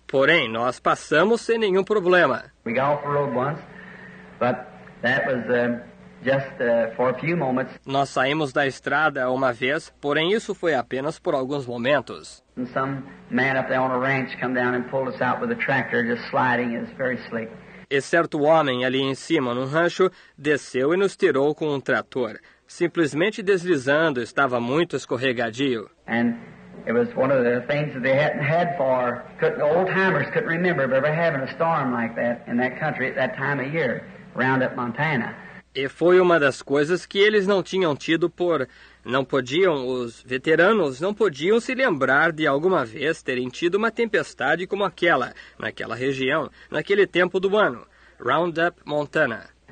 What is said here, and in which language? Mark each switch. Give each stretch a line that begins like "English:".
Portuguese: Porém, nós passamos sem nenhum problema.
English: We got off the road once, but that was just for a few moments.
Portuguese: Nós saímos da estrada uma vez, porém isso foi apenas por alguns momentos.
English: And some man up there on a ranch come down and pulled us out with a tractor, just sliding. It was very slick.
Portuguese: E certo homem ali em cima, no rancho, desceu e nos tirou com um trator. Simplesmente deslizando, estava muito escorregadio.
English: And it was one of the things that they hadn't had for, old-timers couldn't remember of ever having a storm like that in that country at that time of year, Roundup, Montana.
Portuguese: E foi uma das coisas que eles não tinham tido por... Não podiam, os veteranos não podiam se lembrar de alguma vez terem tido uma tempestade como aquela, naquela região, naquele tempo do ano, Roundup, Montana.